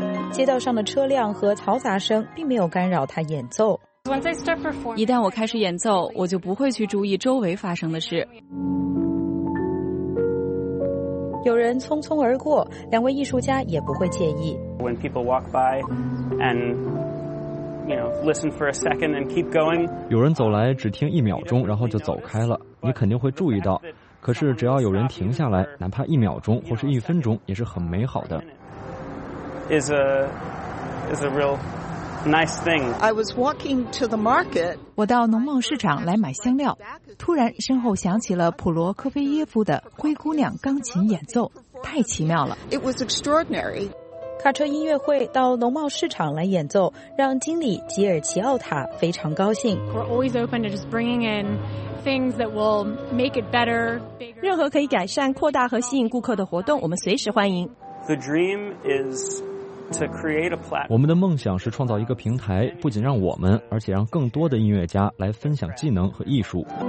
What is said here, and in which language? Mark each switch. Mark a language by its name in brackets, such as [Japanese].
[Chinese] 街道上的车辆和嘈杂声并没有干扰他演奏。 [English] Once I start performing, [Chinese] 一旦我开始演奏，我就不会去注意周围发生的事。有人匆匆而过，两位艺术家也不会介意。 [English] When people walk by and, you know, listen for a second and keep going. [Chinese] 有人走来只听一秒钟，然后就走开了，你肯定会注意到。可是只要有人停下来，哪怕一秒钟或是一分钟，也是很美好的。 [English] Is a real nice thing. I was walking to the market. [Chinese] 我到农贸市场来买香料，突然身后响起了普罗科菲耶夫的《灰姑娘》钢琴演奏，太奇妙了。 [English] It was extraordinary. [Chinese] 卡车音乐会到农贸市场来演奏，让经理吉尔奇奥塔非常高兴。 [English] We're always open to just bringing in things that will make it better. [Chinese] 任何可以改善、扩大和吸引顾客的活动，我们随时欢迎。 [English] The dream is [Chinese] 我们的梦想是创造一个平台，不仅让我们，而且让更多的音乐家来分享技能和艺术。